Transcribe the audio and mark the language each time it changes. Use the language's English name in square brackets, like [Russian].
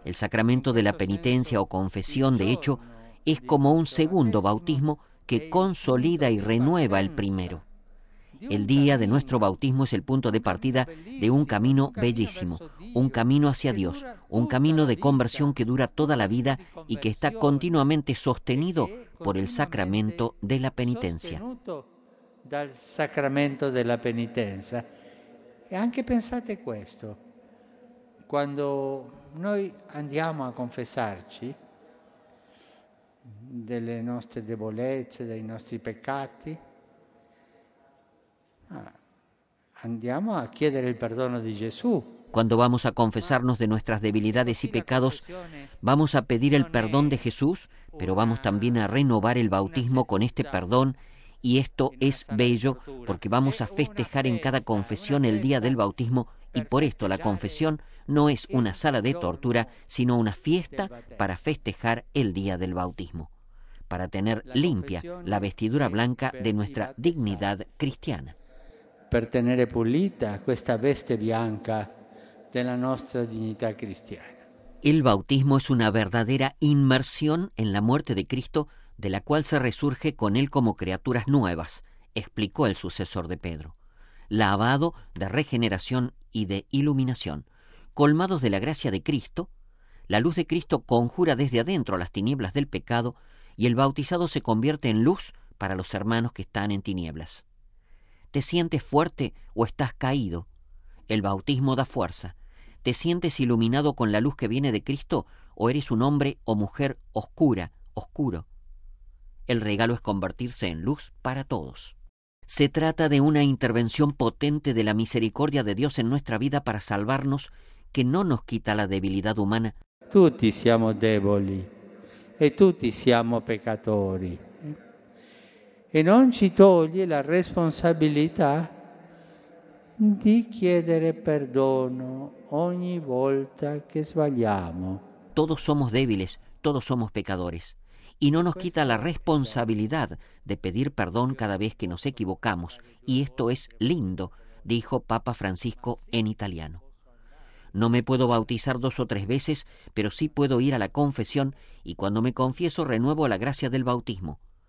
[Spanish] El sacramento de la penitencia o confesión, de hecho, es como un segundo bautismo que consolida y renueva el primero. El día de nuestro bautismo es el punto de partida de un camino bellísimo, un camino hacia Dios, un camino de conversión que dura toda la vida y que está continuamente sostenido por el sacramento de la penitencia. [Italian] Dal sacramento della penitenza. E anche pensate questo: quando noi andiamo a confessarci delle nostre debolezze, dei nostri peccati, andiamo a chiedere il perdono di Gesù. [Spanish] Cuando vamos a confesarnos de nuestras debilidades y pecados, vamos a pedir el perdón de Jesús, pero vamos también a renovar el bautismo con este perdón. Y esto es bello, porque vamos a festejar en cada confesión el día del bautismo, y por esto la confesión no es una sala de tortura, sino una fiesta para festejar el día del bautismo, para tener limpia la vestidura blanca de nuestra dignidad cristiana. [Italian] Per tenere pulita questa veste bianca della nostra dignità cristiana. [Spanish] El bautismo es una verdadera inmersión en la muerte de Cristo, de la cual se resurge con él como criaturas nuevas, explicó el sucesor de Pedro. Lavado de regeneración y de iluminación, colmados de la gracia de Cristo, la luz de Cristo conjura desde adentro las tinieblas del pecado y el bautizado se convierte en luz para los hermanos que están en tinieblas. ¿Te sientes fuerte o estás caído? El bautismo da fuerza. ¿Te sientes iluminado con la luz que viene de Cristo o eres un hombre o mujer oscura, oscuro? El regalo es convertirse en luz para todos. Se trata de una intervención potente de la misericordia de Dios en nuestra vida para salvarnos, que no nos quita la debilidad humana. [Italian] Tutti siamo deboli e tutti siamo peccatori. E non ci toglie la responsabilità di chiedere perdono ogni volta che sbagliamo. [Spanish] Todos somos débiles, todos somos pecadores. Y no nos quita la responsabilidad de pedir perdón cada vez que nos equivocamos. Y esto es lindo, dijo Papa Francisco en italiano. No me puedo bautizar dos o tres veces, pero sí puedo ir a la confesión y cuando me confieso renuevo la gracia del bautismo.